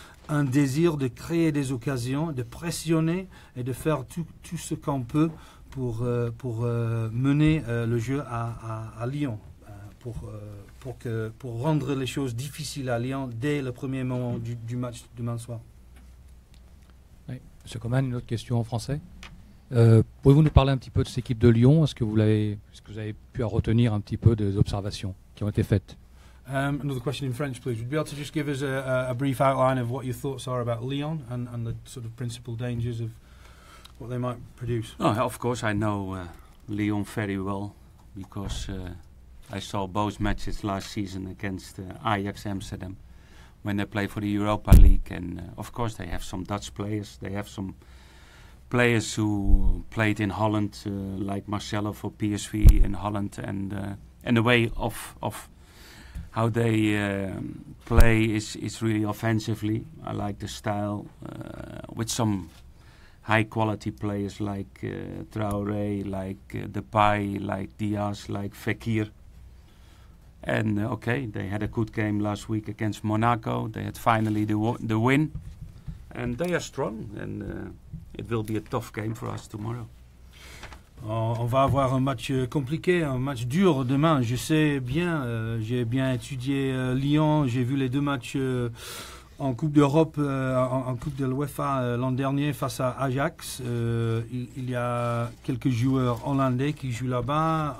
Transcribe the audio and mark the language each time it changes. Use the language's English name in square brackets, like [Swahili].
[French] Un désir de créer des occasions, de pressionner et de faire tout ce qu'on peut pour mener le jeu à Lyon, pour rendre les choses difficiles à Lyon dès le premier moment du match demain soir. Oui. Monsieur Koeman, une autre question en français. Pouvez-vous nous parler un petit peu de cette équipe de Lyon? Est-ce que vous avez pu en retenir un petit peu des observations qui ont été faites? [English] Another question in French, please. Would you be able to just give us a brief outline of what your thoughts are about Lyon and the sort of principal dangers of what they might produce? Oh, of course, I know Lyon very well, because I saw both matches last season against Ajax Amsterdam when they play for the Europa League. And of course, they have some Dutch players. They have some players who played in Holland, like Marcelo for PSV in Holland, and the way of how they play is really offensively. I like the style, with some high quality players like Traoré, like Depay, like Diaz, like Fekir. And okay, they had a good game last week against Monaco. They had finally the win, and they are strong. And it will be a tough game for us tomorrow. [French] On va avoir un match compliqué, un match dur demain. Je sais bien, j'ai bien étudié Lyon, j'ai vu les deux matchs en Coupe d'Europe, en Coupe de l'UEFA l'an dernier face à Ajax. Il y a quelques joueurs hollandais qui jouent là-bas.